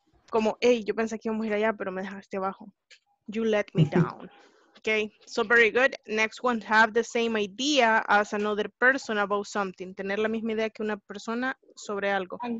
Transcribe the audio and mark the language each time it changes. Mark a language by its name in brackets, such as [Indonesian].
[Spanish] Como, hey, yo pensé que íbamos a ir allá, pero me dejaste abajo. [English] You let me down. Okay, so very good. Next one, have the same idea as another person about something. [Spanish] Tener la misma idea que una persona sobre algo.